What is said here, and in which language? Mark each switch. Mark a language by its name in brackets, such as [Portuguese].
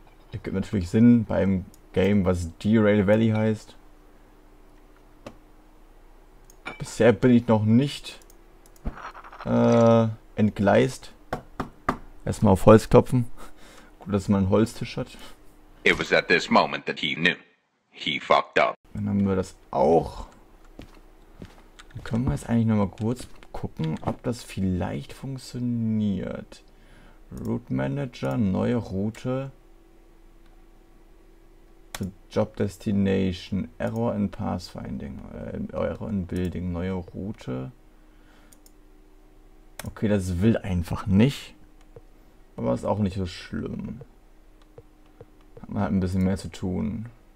[German] Das gibt natürlich Sinn beim Game, was Derail Valley heißt. Bisher bin ich noch nicht entgleist. Erstmal auf Holz klopfen. Gut, dass man einen Holztisch hat. [English] It was at this moment that he knew. He fucked up. [German] Dann haben wir das auch. Dann können wir jetzt eigentlich nochmal kurz gucken, ob das vielleicht funktioniert. Route Manager, neue Route. [English] The Job Destination, Error in Pathfinding, Error in Building, [German] neue Route. Okay, das will einfach nicht. Aber ist auch nicht so schlimm. Hat man halt ein bisschen mehr zu tun.